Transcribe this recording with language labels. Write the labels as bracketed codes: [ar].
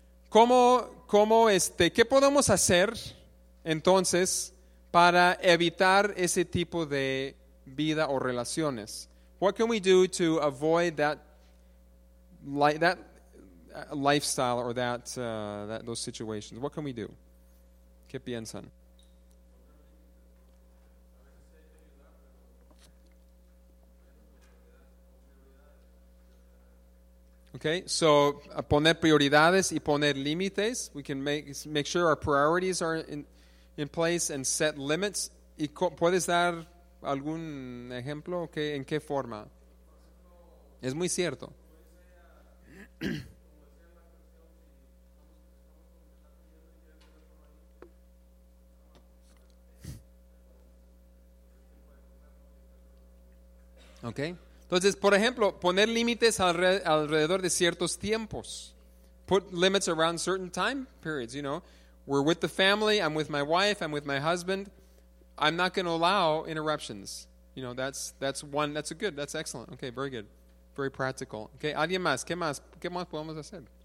[es] ¿Qué podemos hacer entonces para evitar ese tipo de vida o relaciones? [en] What can we do to avoid that lifestyle or those situations? What can we do? [es] ¿Qué piensan? Okay, so poner prioridades y poner límites. [en] We can make sure our priorities are in place and set limits. [es] ¿Y puedes dar algún ejemplo? Okay, ¿en qué forma? Es muy cierto. [en] Okay. [es] Entonces, por ejemplo, poner límites alrededor de ciertos tiempos. [en] Put limits around certain time periods, you know. We're with the family, I'm with my wife, I'm with my husband. I'm not going to allow interruptions. You know, that's excellent. Okay, very good. Very practical. Okay, [es] ¿alguien más? ¿Qué más? ¿Qué más podemos hacer?